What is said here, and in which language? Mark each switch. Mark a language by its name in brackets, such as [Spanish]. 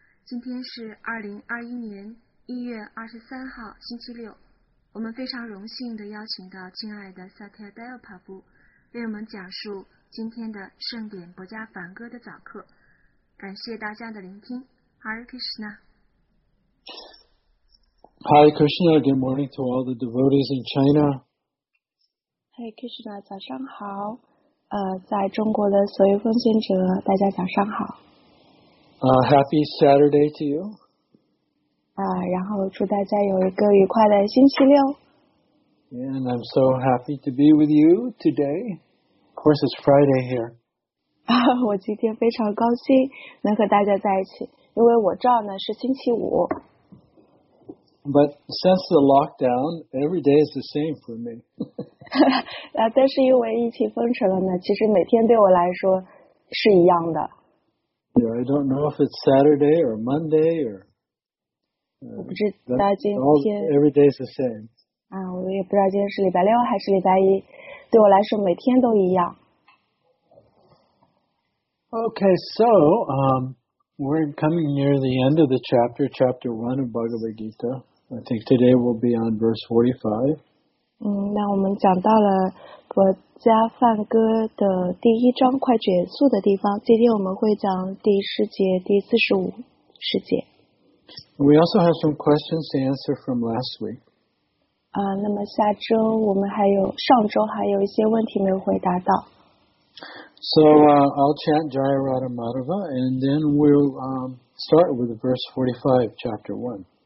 [Chinese] 今天是2021年1月23号，星期六。我们非常荣幸地邀请到亲爱的萨提亚戴尔帕布，为我们讲述今天的盛典博加梵歌的早课。感谢大家的聆听。Hare Krishna。 [English] Hare Krishna, good morning to all the devotees in China. [Chinese] Hare Krishna, 早上好。在中国的所有奉献者，大家早上好。 [English] Happy Saturday to you. [Chinese] 然后祝大家有一个愉快的星期六。 [English] Yeah, and I'm so happy to be with you today. Of course, it's Friday here. [Chinese] 我今天非常高兴能和大家在一起，因为我这儿呢是星期五。 [English] But since the lockdown, every day is the same for me. [Chinese] 但是因为疫情封城了呢，其实每天对我来说是一样的。 [English] Yeah, I don't know if it's Saturday or Monday or. [Chinese] 我不知道今天。 [English] Every day is the same. [Chinese] 我也不知道今天是礼拜六还是礼拜一，对我来说每天都一样。 [English] Okay, so we're coming near the end of the chapter, chapter 1 of Bhagavad Gita. I think today we'll be on verse 45. [Chinese] 那我们讲到了博迦梵歌的第一章快结束的地方，今天我们会讲第十节、第四十五十节。 [English] We also have some questions to answer from last week. [Chinese] 那么下周我们还有，上周还有一些问题没有回答到。 [English] So I'll chant Jaya Radha Madhava, and then we'll start with verse 45, chapter 1.